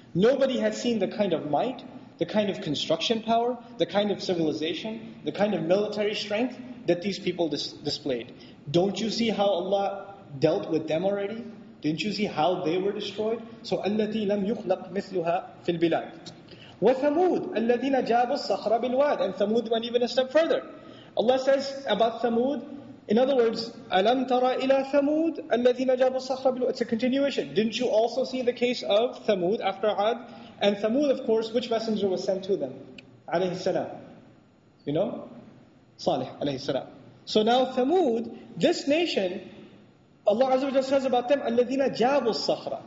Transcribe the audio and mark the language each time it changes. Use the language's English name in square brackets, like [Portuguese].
[English] Nobody had seen the kind of might, the kind of construction power, the kind of civilization, the kind of military strength that these people displayed. Don't you see how Allah dealt with them already? Didn't you see how they were destroyed? [Arabic] So, الَّتِي لَمْ يُخْلَقْ مِثْلُهَا فِي الْبِلَادِ. وَثَمُودَ الَّذِينَ جَابُوا الصَّخْرَ بِالْوَادِ. [English] And Thamud went even a step further. Allah says about Thamud, in other words, [Arabic] أَلَمْ تَرَى إِلَى ثَمُودَ الَّذِينَ جَابُوا الصَّخْرَ بِالْوَادِ. [English] It's a continuation. Didn't you also see the case of Thamud after Ad? And Thamud, of course, which messenger was sent to them? Alayhi salam. You know? Salih alayhi salam. So now Thamud, this nation, Allah Azza wa Jalla says about them, [Arabic] الَّذِينَ جَابُوا الصَّخْرَ.